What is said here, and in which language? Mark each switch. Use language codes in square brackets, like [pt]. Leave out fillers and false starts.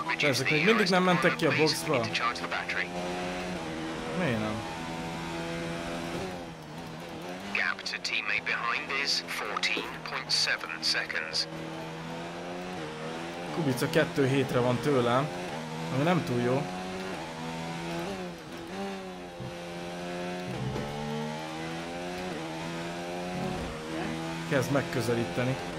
[hu] ezek még mindig nem mentek ki a boxba. Miért nem? [en] Gap to teammate behind is 14.7 seconds. [hu] Kubica 2-7-re van tőlem, ami nem túl jó. Kezd megközelíteni.